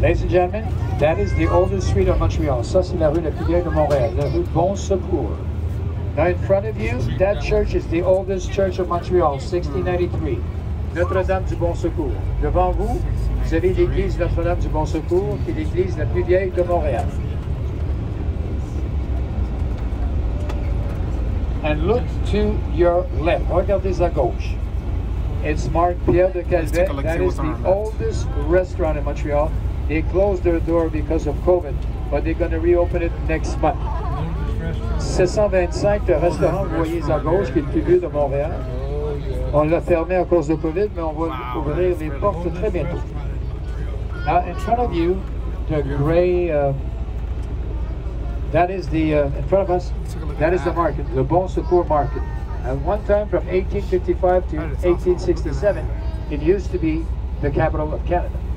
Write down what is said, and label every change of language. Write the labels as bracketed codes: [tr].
[en] Ladies and gentlemen, that is the oldest street of Montreal. [fr] Ça, c'est la rue La Pilière de Montréal, la rue Bon Secours. [en] Now, in front of you, that church is the oldest church of Montreal, 1693. [fr] Notre-Dame du Bon Secours. Devant vous, vous avez l'église Notre-Dame du Bon Secours, qui est l'église La plus vieille de Montréal. [en] And look to your left. [fr] Regardez à gauche. [en] It's marked Pierre de Calvet. That is the oldest restaurant in Montreal. They closed their door because of COVID, but they're going to reopen it next month. [fr] 725, le restaurant, vous voyez à gauche, qui est le plus vieux de Montréal. On l'a fermé à cause de COVID, mais on va ouvrir les portes très bientôt. [en] Now, in front of you, the gray... that is the, in front of us, that is the market, the Bon Secours Market. And one time from 1855 to 1867, it used to be the capital of Canada.